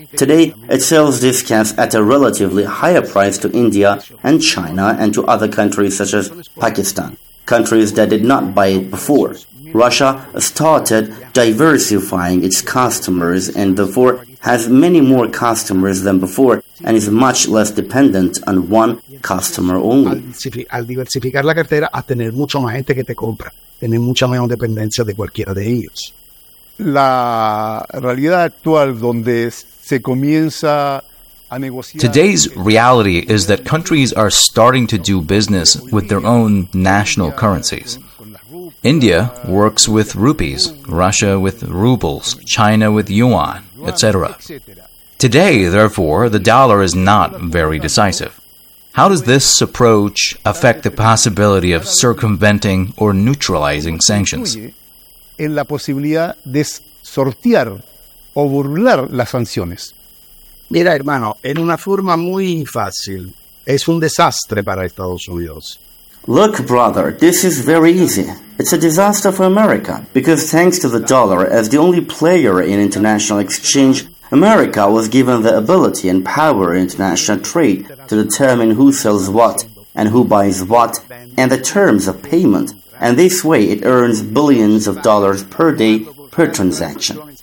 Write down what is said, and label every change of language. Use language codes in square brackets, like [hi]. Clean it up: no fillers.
[en] Today, it sells this gas at a relatively higher price to India and China and to other countries such as Pakistan, countries that did not buy it before. Russia started diversifying its customers and therefore has many more customers than before and is much less dependent on one customer only. [es] Al diversificar la cartera, a tener mucho más gente que te compra, tener mucha menos dependencia de cualquiera de ellos. La realidad actual donde se comienza a negociar. [en] Today's reality is that countries are starting to do business with their own national currencies. India works with rupees, Russia with rubles, China with yuan, etc. Today, therefore, the dollar is not very decisive. How does this approach affect the possibility of circumventing or neutralizing sanctions? [es] En la posibilidad de sortear o burlar las sanciones. Mira, hermano, en una forma muy fácil, es un desastre para Estados Unidos. [en] Look, brother, this is very easy. It's a disaster for America, because thanks to the dollar as the only player in international exchange, America was given the ability and power in international trade to determine who sells what and who buys what and the terms of payment, and this way it earns billions of dollars per day per transaction.